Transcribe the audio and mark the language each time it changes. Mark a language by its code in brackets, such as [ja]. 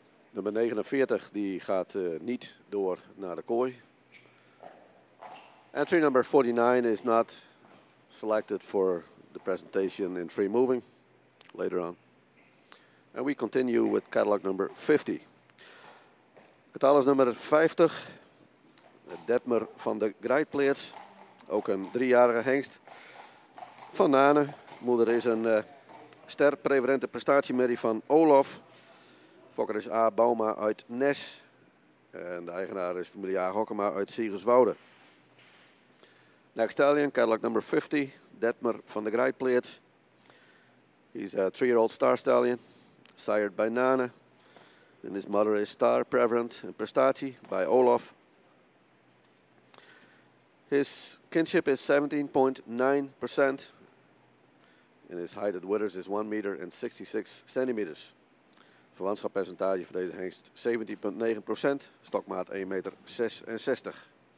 [nl] Nummer 49 die gaat niet door naar de kooi. [en] Entry number 49 is not selected for the presentation in free moving later on. And we continue with catalog number 50. [nl] Catalogus nummer 50, Detmer van de Grijpleerts, ook een driejarige hengst. Van Nane, moeder is een ster preferente prestatiemerrie van Olof. Fokker is A. Bauma uit Nes. En de eigenaar is familie A. Hokkema uit Siegerswoude. [en] Next stallion, catalog number 50, Detmer van de Grijpleerts. He's a three-year-old star stallion, sired by Nane. And his mother is star preferent in prestatie by Olof. His kinship is 17.9%. And his height at withers is 1 meter and 66 centimeters. [nl] Verwantschappercentage voor deze hengst 17.9%. Stokmaat 1 meter 66.